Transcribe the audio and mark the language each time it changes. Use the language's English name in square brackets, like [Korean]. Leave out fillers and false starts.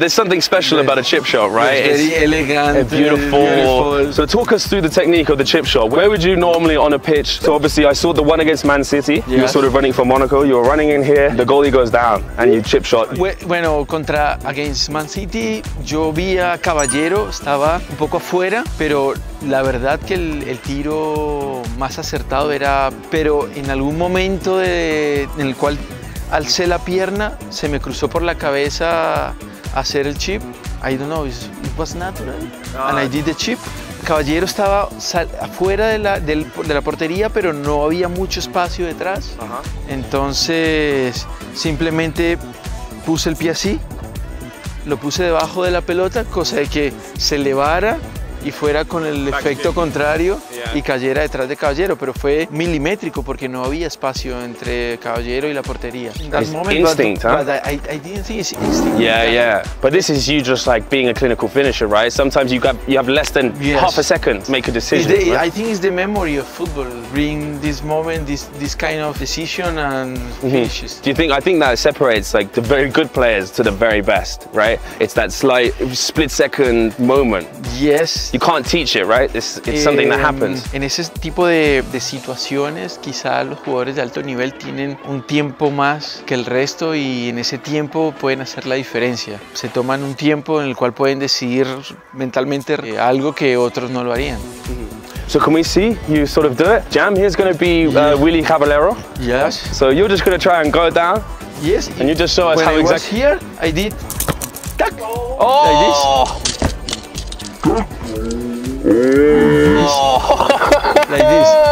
[English] There's something special about a chip shot, right? It's very elegant. And beautiful. So talk us through the technique of the chip shot. Where would you normally on a pitch? So obviously, I saw the one against Man City. Yeah. You were sort of running for Monaco. You were running in here. The goalie goes down and you chip shot. [Spanish] Bueno, contra against Man City, yo vi a Caballero. Estaba un poco afuera, pero la verdad que el tiro más acertado era, pero en algún momento en el cual alcé la pierna, se me cruzó por la cabeza hacer el chip. [English] I don't know, it was natural. And I did the chip. [Spanish] Caballero estaba afuera de la portería, pero no había mucho espacio detrás. Entonces, simplemente puse el pie así, lo puse debajo de la pelota, cosa de que se elevara y fuera con el efecto contrario y cayera detrás de Caballero, pero fue milimétrico porque no había espacio entre Caballero y la portería. [English] It's instinct, but I didn't think it's instinct. Yeah, yeah. But this is you just like being a clinical finisher, right? Sometimes you have less than half a second to make a decision. I think it's the memory of football, being this moment, this kind of decision and finishes. Do you think, I think that separates like the very good players to the very best, right? It's that slight split second moment. Yes. You can't teach it, right? It's something that happens. [Spanish] En ese tipo de situaciones, quizá los jugadores de alto nivel tienen un tiempo más que el resto y en ese tiempo pueden hacer la diferencia. Se toman un tiempo en el cual pueden decidir mentalmente algo que otros no lo harían. [English] So can we see you sort of do it? Jam, here's going to be Willy Caballero. Yes. So you're just going to try and go down. Yes. And you just show us when how I exactly. When I was here, I did. Tac. Oh. Like this. Like this.